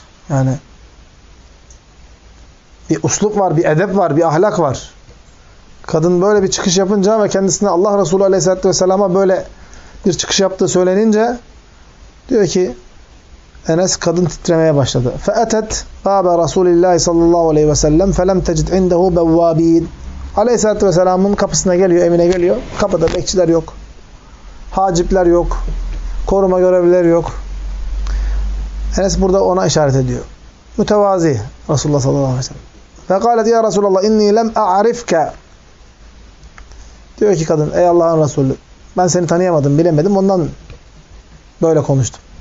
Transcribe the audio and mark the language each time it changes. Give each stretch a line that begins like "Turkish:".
Turkish: Yani bir usluk var, bir edep var, bir ahlak var. Kadın böyle bir çıkış yapınca ve kendisine Allah Resulü aleyhissalatü vesselama böyle bir çıkış yaptığı söylenince diyor ki Enes kadın titremeye başladı.
Arabic: فَاَتَتْ قَابَ رَسُولِ اللّٰهِ صَلَى اللّٰهُ عَلَيْهِ وَسَلَّمْ فَلَمْ تَجِدْ عِنْدَهُ بَوَّابِينَ
Turkish: Aleyhisselatü Vesselam'ın kapısına geliyor, evine geliyor. Kapıda bekçiler yok. Hacipler yok. Koruma görevlileri yok. Enes burada ona işaret ediyor. Mütevazi Resulullah sallallahu aleyhi ve sellem.
Arabic: فَقَالَتْ يَا رَسُولَ اللّٰهِ اِنِّي لَمْ اَعْرِفْكَ
Turkish: Diyor ki kadın, ey Allah'ın Resulü, ben seni tanıyamadım, bilemedim, ondan böyle konuştum.